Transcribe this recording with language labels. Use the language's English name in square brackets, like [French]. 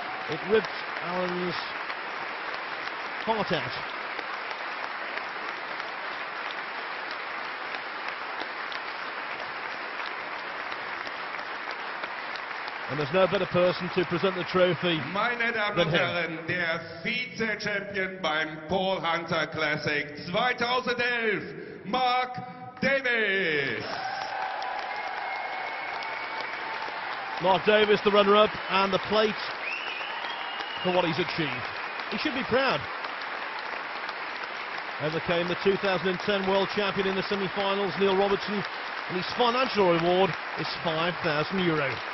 [English] It ripped Alan's heart out. And there's no better person to present the trophy. [German] Meine Damen und Herren, der Vize-Champion beim Paul Hunter Classic 2011, Mark Davis. [English] Mark Davis, the runner-up, and the plate for what he's achieved. He should be proud. Overcame the 2010 world champion in the semi-finals, Neil Robertson, and his financial reward is €5,000.